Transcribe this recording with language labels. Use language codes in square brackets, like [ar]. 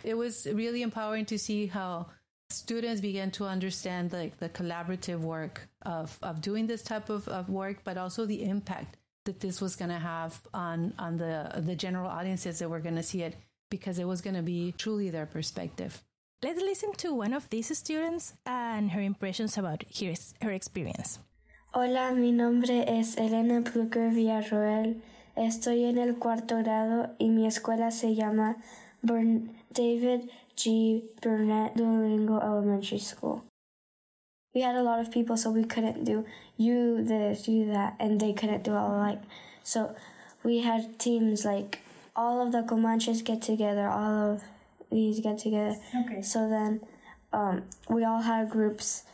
[en] It was really empowering to see how students began to understand like the collaborative work of doing this type of work, but also the impact that this was going to have on the general audiences that were going to see it, because it was going to be truly their perspective. Let's listen to one of these students and her impressions about her experience. [es] Hola, mi nombre es Elena Plucker Villarroel. Estoy en el cuarto grado y mi escuela se llama David G. [en] Burnett Duolingo Elementary School. We had a lot of people, so we couldn't do you this, you that, and they couldn't do all alike. So we had teams like all of the Comanches get together, all of these get together. Okay. So then we all had groups.